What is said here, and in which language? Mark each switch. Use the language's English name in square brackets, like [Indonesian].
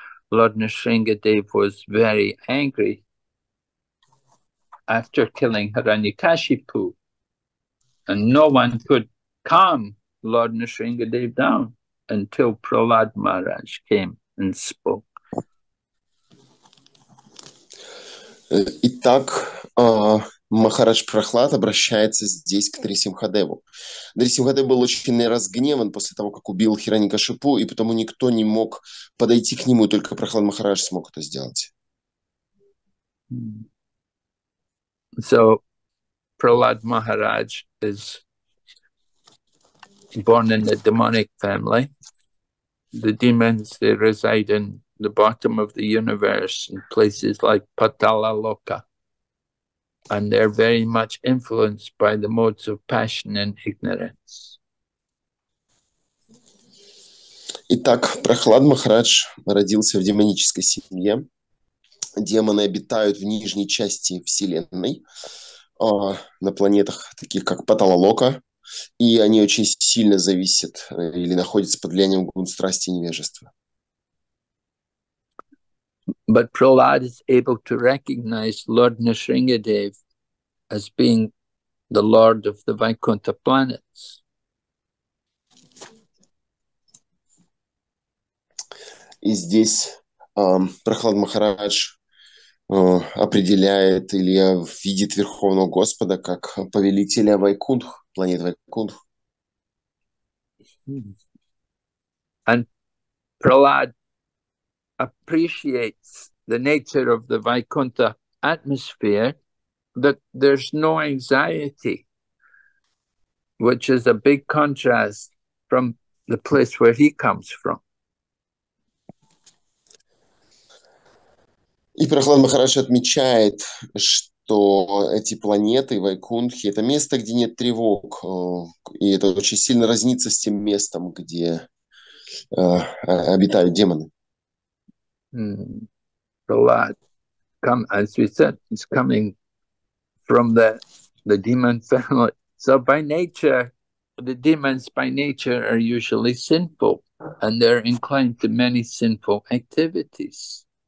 [English] Lord Nrisimhadev was very angry after killing Hiranyakashipu, and no one could calm Lord Nrisimhadev down until Prahlad Maharaj came and spoke. [Russian] Итак, Махарадж Прахлад обращается здесь к Нарисимхадеву. Нарисимхадев был очень разгневан после того, как убил Хираньякашипу, и потому никто не мог подойти к нему, и только Прахлад Махарадж смог это сделать. [English] So, Prahlad Maharaj is born in a demonic family. The demons, they reside in the bottom of the universe, in places like Patala Loka. And they're very much influenced by the modes of passion and ignorance. [Russian] Итак, Прахлад Махарадж родился в демонической семье. Демоны обитают в нижней части Вселенной, на планетах, таких как Паталалока, и они очень сильно зависят или находятся под влиянием гун страсти и невежества. [English] But Prahlad is able to recognize Lord Nrisimhadev as being the lord of the Vaikuntha planets. [Russian] И здесь Прахлад Махарадж определяет или видит Верховного Господа как повелителя Вайкунтх, планет Вайкунтх. [English] And Prahlad appreciates the nature of the Vaikuntha atmosphere, that there's no anxiety, which is a big contrast from the place where he comes from. [Russian] И Прахлад Махарадж отмечает, что эти планеты, Вайкунтхи, это место, где нет тревог. И это очень сильно разнится с тем местом, где обитают демоны. [English] Prahlad, as we said, is coming from the demon family. So by nature, the demons by nature are usually sinful, and they're inclined to many sinful activities.